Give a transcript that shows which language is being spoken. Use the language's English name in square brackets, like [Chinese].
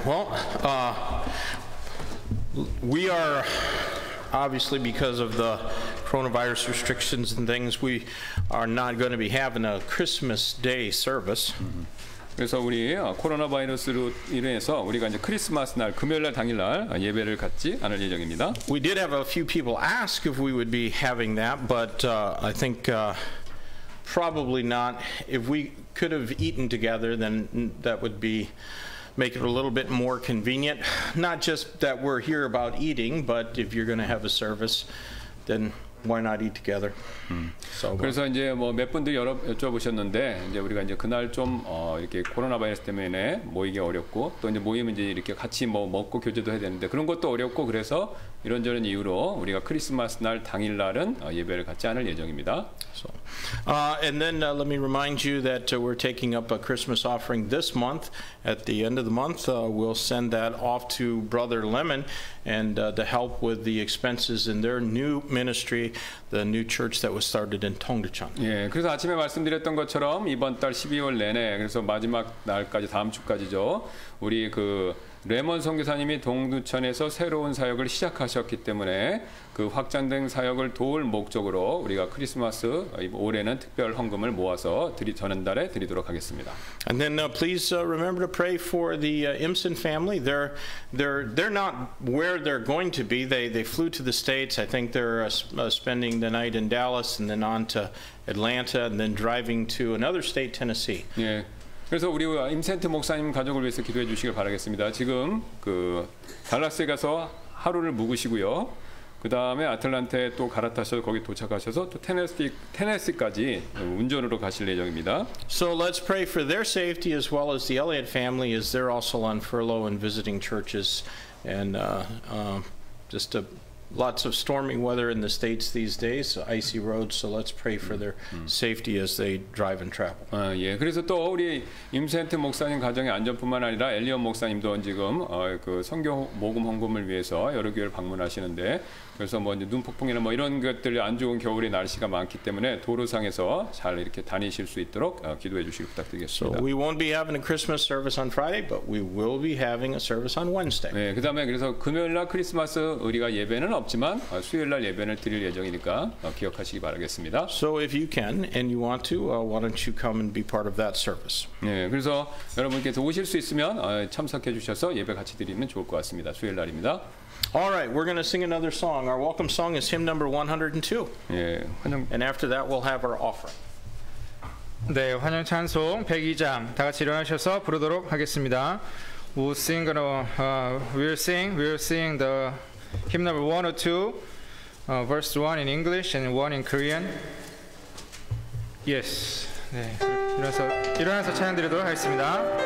[English] Well, we are obviously because of the coronavirus restrictions and things, we are not going to be having a Christmas Day service. [Korean] 그래서 우리 코로나 바이러스로 인해서 우리가 이제 크리스마스 날 금요일 날 당일 날 예배를 갖지 않을 예정입니다. [English] We did have a few people ask if we would be having that, but I think probably not. If we could have eaten together, then that would be make it a little bit more convenient. Not just that we're here about eating, but if you're going to have a service, then why not eat together? [Korean] So, 그래서 이제 뭐 몇 분들 여쭤보셨는데 이제 우리가 이제 그날 좀 이렇게 코로나 바이러스 때문에 모이기 어렵고 또 이제 모이면 이제 이렇게 같이 뭐 먹고 교제도 해야 되는데 그런 것도 어렵고 그래서 이런저런 이유로 우리가 크리스마스 날 당일 날은 예배를 갖지 않을 예정입니다. [English] So, and then let me remind you that we're taking up a Christmas offering this month. At the end of the month, we'll send that off to Brother Lemon and to help with the expenses in their new ministry, the new church that was started in Tongdecheon. [Korean] 예, 그래서 아침에 말씀드렸던 것처럼 이번 달 12월 내내 그래서 마지막 날까지 다음 주까지죠. 우리 그 레몬 선교사님이 동두천에서 새로운 사역을 시작하셨기 때문에 그 확장된 사역을 도울 목적으로 우리가 크리스마스 올해는 특별 헌금을 모아서 전달해 드리도록 하겠습니다. [English] And then please remember to pray for the Imsen family. They're not where they're going to be. They flew to the States. I think they're spending the night in Dallas and then on to Atlanta and then driving to another state, Tennessee. [Korean] 예. 그래서 우리 임센트 목사님 가족을 위해서 기도해 주시길 바라겠습니다. 지금 그 달라스에 가서 하루를 묵으시고요. 그 다음에 아틀란타에 또 갈아타셔서 거기 도착하셔서 또 테네시까지 운전으로 가실 예정입니다. [English] So let's pray for their safety as well as the Elliott family as they're also on furlough and visiting churches and just a lots of stormy weather in the states these days, icy roads. So let's pray for their safety as they drive and travel. [Korean] 아, 예. 그래서 또 우리 임센트 목사님 가정의 안전뿐만 아니라 엘리언 목사님도 지금 그 성경 모금 헌금을 위해서 여러 교회를 방문하시는데, 그래서 뭐 이제 눈폭풍이나 뭐 이런 것들 안 좋은 겨울의 날씨가 많기 때문에 도로상에서 잘 이렇게 다니실 수 있도록 기도해 주시기 부탁드리겠습니다. [English] So we won't be having a Christmas service on Friday, but we will be having a service on Wednesday. [Korean] 네, 그다음에 그래서 금요일 날 크리스마스 우리가 예배는 없지만 수요일 날 예배를 드릴 예정이니까 기억하시기 바라겠습니다. [English] So if you can and you want to, why don't you come and be part of that service? [Korean] 네, 그래서 여러분께서 오실 수 있으면 참석해 주셔서 예배 같이 드리면 좋을 것 같습니다. 수요일 날입니다. [English] All right, we're going to sing another song. Our welcome song is hymn number 102. [Korean] 예, 환영. [English] And after that, we'll have our offering. [Korean] 네, 환영 찬송 102장 다 같이 일어나셔서 부르도록 하겠습니다. [English] We'll sing, we'll sing the hymn number 102, verse 1 in English and 1 in Korean. Yes. [Korean] 네, 일어나서 찬양드리도록 하겠습니다.